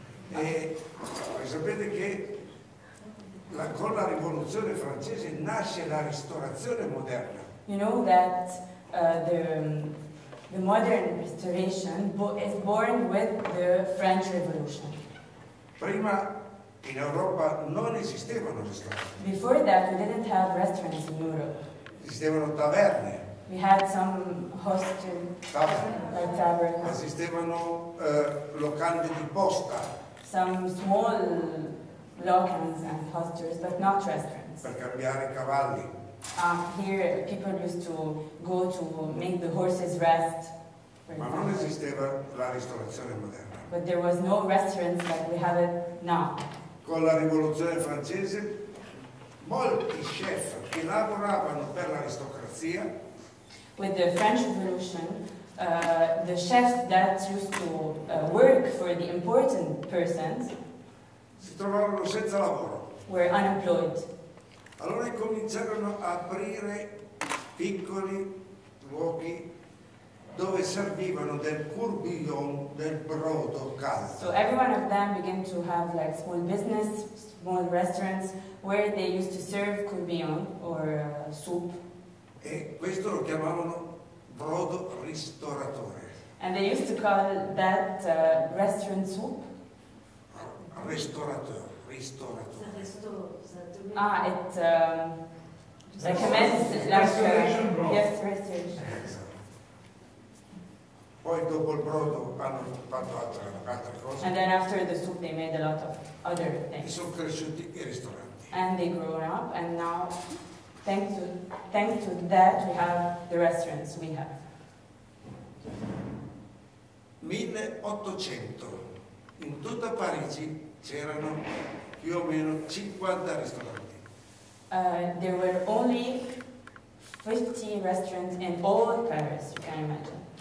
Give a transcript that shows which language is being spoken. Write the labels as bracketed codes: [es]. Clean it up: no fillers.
[it] E sapete che con la Rivoluzione Francese nasce la ristorazione moderna. [en] You know that the modern restoration is born with the French Revolution. [it] Prima in Europa non esistevano ristoranti. [en] Before that we didn't have restaurants in Europe. [it] Esistevano taverne. [en] We had some hostel, like taverns. [it] Esistevano locali di posta. [en] Some small locals and hostels, but not restaurants. [it] Per cambiare cavalli. [en] Here people used to go to make the horses rest. [it] Ma non esisteva la ristorazione moderna. [en] But there was no restaurants like we have it now. [it] Con la Rivoluzione Francese, molti chef che lavoravano per l'aristocrazia. [en] With the French Revolution, the chefs that used to work for the important persons [it] si trovarono senza lavoro. [en] Were unemployed. [it] Allora cominciarono a aprire piccoli luoghi dove servivano del courbillon, del brodo caldo. [en] So every one of them began to have like small business, small restaurants where they used to serve courbillon or soup. [it] E questo lo chiamavano brodo ristoratore. [en] And they used to call that restaurant soup. [it] Ristoratore. Poi dopo il brodo hanno fatto altre cose. [en] And then after the soup they made a lot of other things. E sono cresciuti i ristoranti. And they grew up and now. Thanks to that, we have the restaurants we have. 1800. [it] In tutta Parigi c'erano più o meno 50 ristoranti. [en] There were only 50 restaurants in all Paris, you can imagine.